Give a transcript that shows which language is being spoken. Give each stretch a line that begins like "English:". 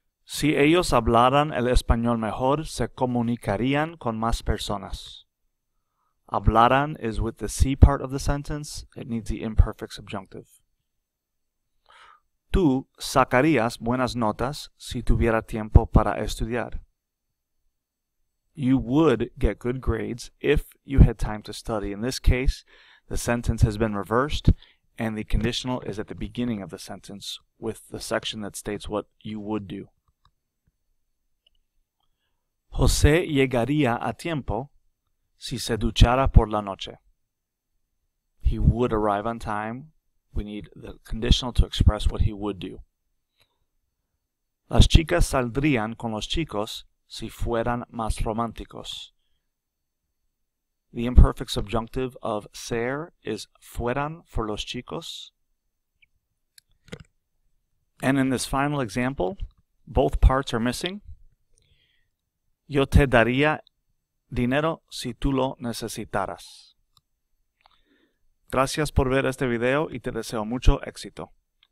Spanish: Si ellos hablaran el español mejor, se comunicarían con más personas.
English: Hablaran is with the C part of the sentence. It needs the imperfect subjunctive.
Spanish: Tú sacarías buenas notas si tuviera tiempo para estudiar.
English: You would get good grades if you had time to study. In this case, the sentence has been reversed, and the conditional is at the beginning of the sentence with the section that states what you would do.
Spanish: José llegaría a tiempo si se duchara por la noche.
English: He would arrive on time. We need the conditional to express what he would do.
Spanish: Las chicas saldrían con los chicos si fueran más románticos.
English: The imperfect subjunctive of ser is fueran for los chicos. And in this final example, both parts are missing.
Spanish: Yo te daría dinero si tú lo necesitaras. Gracias por ver este video y te deseo mucho éxito.